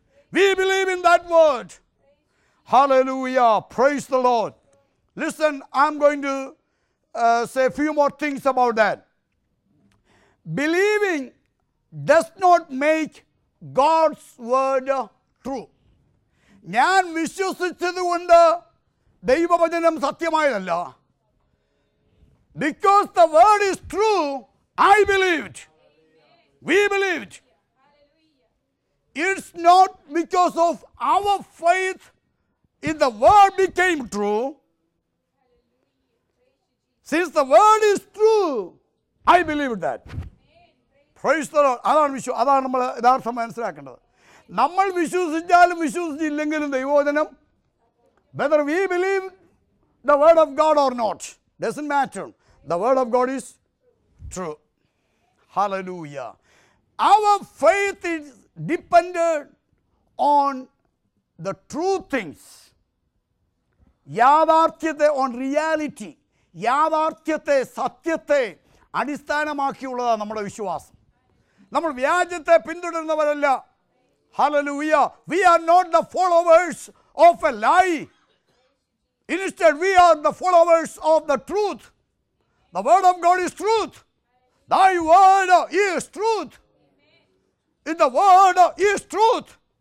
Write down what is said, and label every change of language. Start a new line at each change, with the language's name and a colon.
English: We believe in that word. Hallelujah. Praise the Lord. Listen, I'm going to say a few more things about that. Believing does not make God's word true.
Malayalam: ഞാൻ വിശ്വസിച്ചത് കൊണ്ട് ദൈവവചനം സത്യമായതല്ല.
English: Because the word is true, I believed, we believed. It's not because of our faith in the word became true. Since the word is true, I believed that. Praise the Lord.
Malayalam: അതാണ് വിശ്വാസം. അതാണ് നമ്മൾ യഥാർത്ഥം മനസ്സിലാക്കേണ്ടത്. നമ്മൾ വിശ്വസിച്ചാലും വിശ്വസിച്ചില്ലെങ്കിലും ദൈവോചനം,
English: Whether we believe the word of God or not, doesn't matter. The word of God is true. Hallelujah. Our faith is depended on the true things.
Malayalam: യാഥാർത്ഥ്യത്തെ,
English: on reality,
Malayalam: യാഥാർത്ഥ്യത്തെ, സത്യത്തെ അടിസ്ഥാനമാക്കിയുള്ളതാണ് നമ്മുടെ വിശ്വാസം. നമ്മൾ വ്യാജത്തെ പിന്തുടരുന്നവരല്ല.
English: Hallelujah. We are not the followers of a lie. Instead, we are the followers of the truth. The word of God is truth. Thy word is truth. If the word is truth,